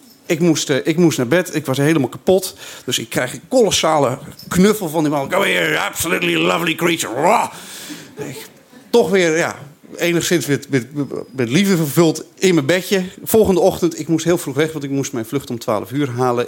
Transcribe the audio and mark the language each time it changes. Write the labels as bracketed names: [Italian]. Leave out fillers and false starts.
[Dutch] Ik moest naar bed. Ik was helemaal kapot. Dus ik krijg een kolossale knuffel van die man. [English] Go here, absolutely lovely creature. [Dutch] Toch weer, ja, enigszins met liefde vervuld in mijn bedje. Volgende ochtend, ik moest heel vroeg weg, want ik moest mijn vlucht om 12 uur halen.